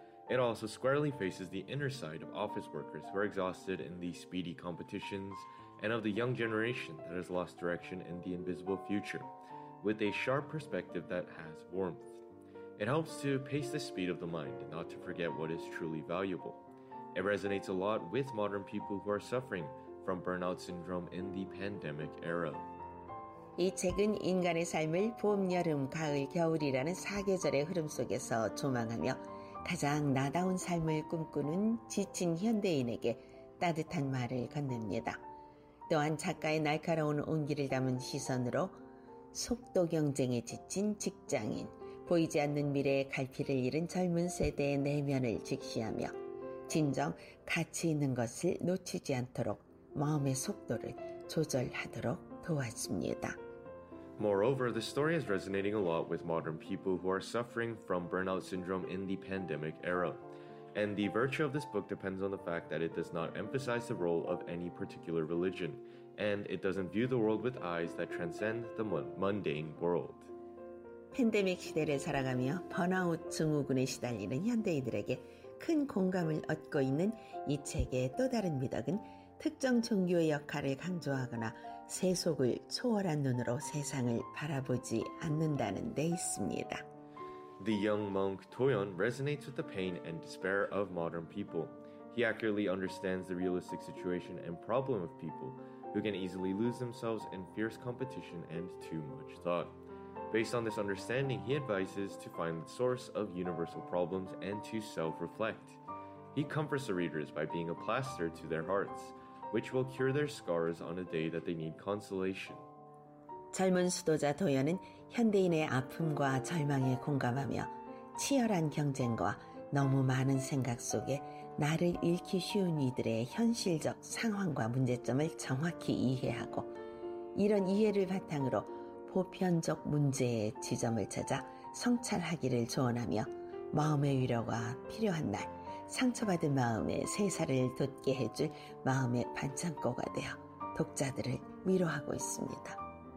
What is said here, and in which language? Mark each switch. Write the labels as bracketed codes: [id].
[en] It also squarely faces the inner side of office workers who are exhausted in the speedy competitions and of the young generation that has lost direction in the invisible future, with a sharp perspective that has warmth. It helps to pace the speed of the mind, not to forget what is truly valuable. It resonates a lot with modern people who are suffering from burnout syndrome in the pandemic era. [ko] 이 책은 인간의 삶을 봄, 여름, 가을, 겨울이라는 사계절의 흐름 속에서 조망하며 가장 나다운 삶을 꿈꾸는 지친 현대인에게 따뜻한 말을 건넵니다. 또한 작가의 날카로운 온기를 담은 시선으로 속도 경쟁에 지친 직장인, 보이지 않는 미래의 갈피를 잃은 젊은 세대의 내면을 직시하며 진정 가치 있는 것을 놓치지 않도록 마음의 속도를 조절하도록 도왔습니다. [en] Moreover, the story is resonating a lot with modern people who are suffering from burnout syndrome in the pandemic era. And the virtue of this book depends on the fact that it does not emphasize the role of any particular religion, and it doesn't view the world with eyes that transcend the mundane world. [ko] 팬데믹 시대를 살아가며 번아웃 증후군에 시달리는 현대인들에게 큰 공감을 얻고 있는 이 책의 또 다른 미덕은 특정 종교의 역할을 강조하거나 세속을 초월한 눈으로 세상을 바라보지 않는다는 데 있습니다. [en] The young monk To Young resonates with the pain and despair of modern people. He accurately understands the realistic situation and problem of people who can easily lose themselves in fierce competition and too much thought. Based on this understanding, he advises to find the source of universal problems and to self-reflect. He comforts the readers by being a plaster to their hearts, which will cure their scars on a day that they need consolation. [ko] 젊은 수도자 도연은 현대인의 아픔과 절망에 공감하며 치열한 경쟁과 너무 많은 생각 속에 나를 잃기 쉬운 이들의 현실적 상황과 문제점을 정확히 이해하고 이런 이해를 바탕으로 보편적 문제의 지점을 찾아 성찰하기를 조언하며 마음의 위로가 필요한 날 상처받은 마음에 새살을 돋게 해줄 마음의 반창고가 되어 독자들을 위로하고 있습니다.